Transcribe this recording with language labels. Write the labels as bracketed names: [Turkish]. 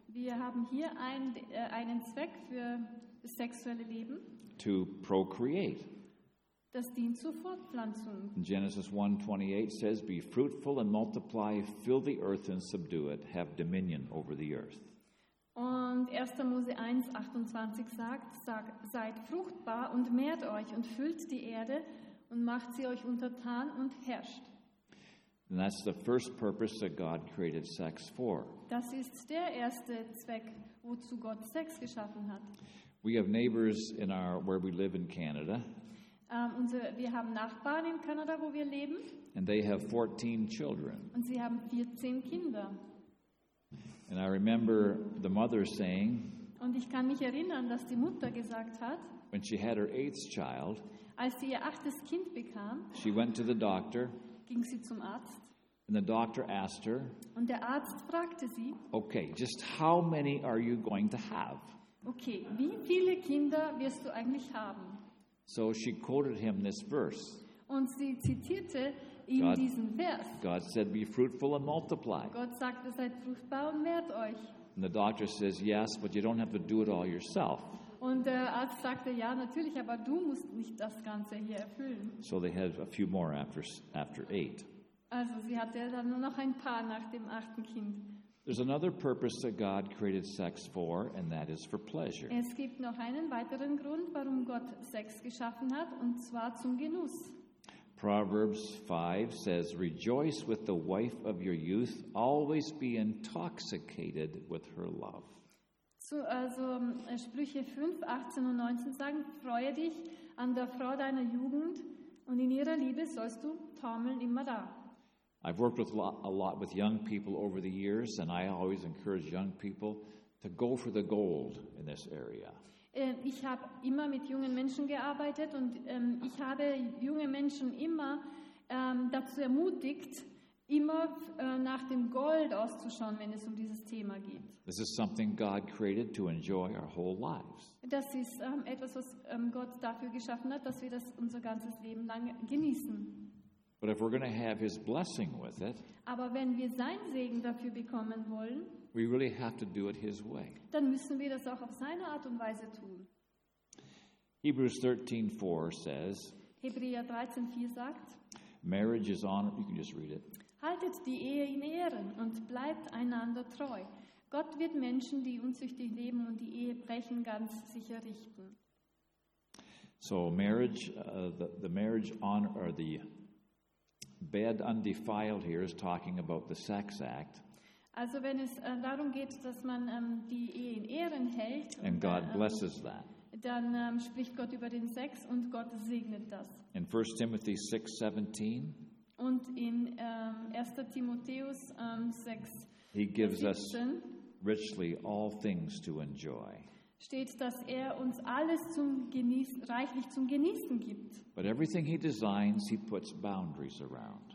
[German] Wir haben hier einen Zweck für das sexuelle Leben. [English] To procreate. [German] Das dient zur Fortpflanzung. [English] Genesis 1:28 says, "Be fruitful and multiply, fill the earth and subdue it, have dominion over the earth." [German] Und 1. Mose 1:28 sagt, seid fruchtbar und mehrt euch und füllt die Erde und macht sie euch untertan und herrscht. [English] And that's the first purpose that God created sex for. [German] Das ist der erste Zweck, wozu Gott Sex geschaffen hat. [English] We have neighbors in our where we live in Canada. [German] Wir haben Nachbarn in Kanada, wo wir leben. [English] And they have 14 children. [German] Und sie haben 14 Kinder. [English] And I remember the mother saying. [German] Und ich kann mich erinnern, dass die Mutter gesagt hat. [English] When she had her eighth child. [German] Als sie ihr achtes Kind bekam. [English] She went to the doctor. [German] Ging sie zum Arzt. [English] And the doctor asked her. [German] Und der Arzt fragte sie. [English] Okay, just how many are you going to have? [German] Okay, wie viele Kinder wirst du eigentlich haben? [English] So she quoted him this verse. [German] Und sie zitierte ihm diesen Vers. [English] God said, "Be fruitful and multiply." [German] Gott sagte, seid fruchtbar und mehrt euch. [English] And the doctor says, "Yes, but you don't have to do it all yourself." [German] Und der Arzt sagte, ja, natürlich, aber du musst nicht das Ganze hier erfüllen. [English] So they had a few more after eight. [German] Also sie hatte dann nur noch ein paar nach dem achten Kind. [English] There's another purpose that God created sex for, and that is for pleasure. [German] Es gibt noch einen weiteren Grund, warum Gott Sex geschaffen hat, und zwar zum Genuss. [English] Proverbs 5 says, "Rejoice with the wife of your youth; always be intoxicated with her love." [German] So, also Sprüche 5, 18 und 19 sagen: Freue dich an der Frau deiner Jugend, und in ihrer Liebe sollst du taumeln immer da. [English] I've worked with a lot with young people over the years, and I always encourage young people to go for the gold in this area. [German] Ich habe immer mit jungen Menschen gearbeitet, und ich habe junge Menschen immer dazu ermutigt, immer nach dem Gold auszuschauen, wenn es um dieses Thema geht. [English] This is something God created to enjoy our whole lives. [German] Das ist etwas, was Gott dafür geschaffen hat, dass wir das unser ganzes Leben lang genießen. [English] But if we're going to have his blessing with it, [German] aber wenn wir seinen Segen dafür bekommen wollen, [English] we really have to do it his way. [German] Dann müssen wir das auch auf seine Art und Weise tun. [English] Hebrews 13:4 says, [German] Hebräer 13:4 sagt, [English] marriage is honor, you can just read it. [German] Haltet die Ehe in Ehren und bleibt einander treu. Gott wird Menschen, die unzüchtig leben und die Ehe brechen, ganz sicher richten. [English] So marriage the marriage honor or the bed undefiled here is talking about the sex act. [German] Also wenn es darum geht, dass man die Ehe in Ehren hält, [English] and God blesses that. [German] Dann spricht Gott über den Sex und Gott segnet das. [English] In 1 Timothy 6:17 [German] und in 1. Timotheus 6 [English] he gives us richly all things to enjoy. [German] Steht, dass er uns alles zum Genießen, reichlich zum Genießen gibt. [English] But everything he designs, he puts boundaries around.